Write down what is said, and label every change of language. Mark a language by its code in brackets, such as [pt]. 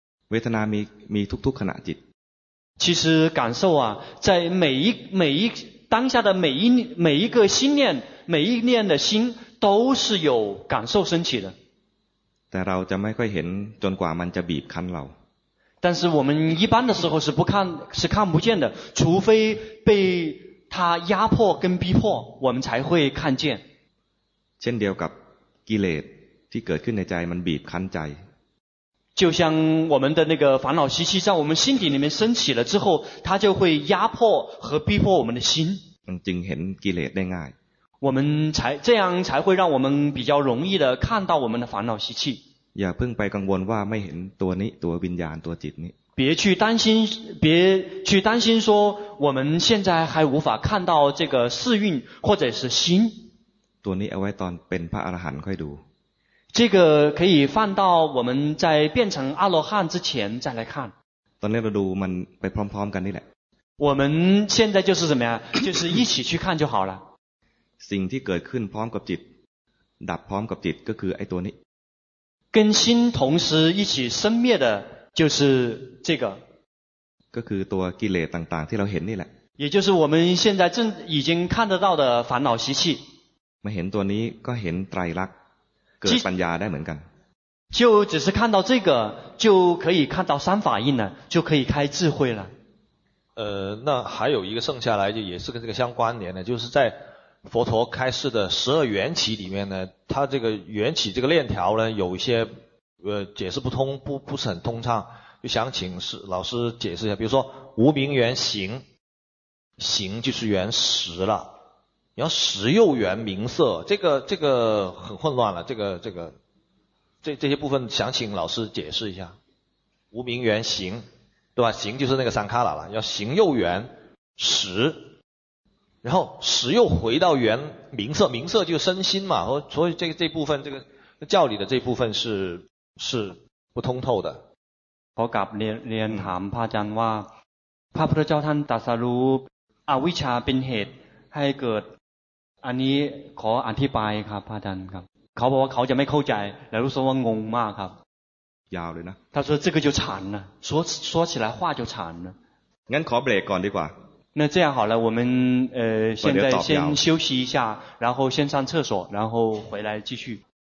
[th] เวทนามีทุกๆขณะจิต [zh] 其实感受啊在每一当下的每一个心念每一念的心都是有感受升起的 [th] แต่เราจะไม่ค่อยเห็นจนกว่ามันจะบีบคั้นเรา [zh] 但是我们一般的时候是看不见的除非被它压迫跟逼迫我们才会看见 [th] เช่นเดียวกับกิเลสที่เกิดขึ้นในใจมันบีบคั้นใจ [zh] 就像我们的那个烦恼习气在我们心底里面升起了之后它就会压迫和逼迫我们的心 [th] จึงเห็นกิเลสได้ง่าย [zh] 我们才这样才会让我们比较容易的看到我们的烦恼习气。 [th] อย่าเพิ่งไปกังวลว่าไม่เห็นตัวนี้ตัววิญญาณตัวจิตนี้ [zh] 别去担心说我们现在还无法看到这个四蕴或者是心。 [th] ตัวนี้เอาไว้ตอนเป็นพระอรหันต์ค่อยดู [zh] 这个可以放到我们在变成阿罗汉之前再来看。 [th] ตอนนี้เราดูมันไปพร้อมๆกันนี่แหละ [zh] 我们现在就是怎么样就是一起去看就好了。 [th] สิ่งที่เกิดขึ้นพร้อมกับจิตดับพร้อมกับจิตก็คือไอ้ตัวนี้ [zh] 跟心同时一起生灭的就是这个 [th] ก็คือตัวกิเลสต่างๆที่เราเห็นนี่แหละ [zh] 也就是我们现在正已经看得到的烦恼习气 [th] มาเห็นตัวนี้ก็เห็นไตรลักษณ์เกิดปัญญาได้เหมือนกัน [zh] 就只是看到这个就可以看到三法印了就可以开智慧了那还有一个剩下来就也是跟这个相关联的就是在佛陀开示的十二缘起里面呢他这个缘起这个链条呢有一些解释不通不是很通畅就想请老师解释一下比如说无明缘行行就是缘识了然后识又缘明色这个很混乱了这些部分想请老师解释一下无明缘行对吧行就是那个三卡拉了要行又缘识然后识又回到原明色明色就是身心嘛所以这部分这个教理的这部分是不通透的 [th] 我กับเรียนถามพระอาจารย์ว่าพระพุทธเจ้าท่านตรัสรู้อวิชชาเป็นเหตุให้เกิดอันนี้ขออธิบายครับพระอาจารย์ครับเขาบอกว่าเขาจะไม่เข้าใจแล้วรู้สึกว่างงมากครับ ยาวเลยนะ [zh] 他说这个就惨了说起来话就惨了 [th] งั้นขอเบรกก่อนดีกว่า [zh] 那这样好了我们现在先休息一下然后先上厕所然后回来继续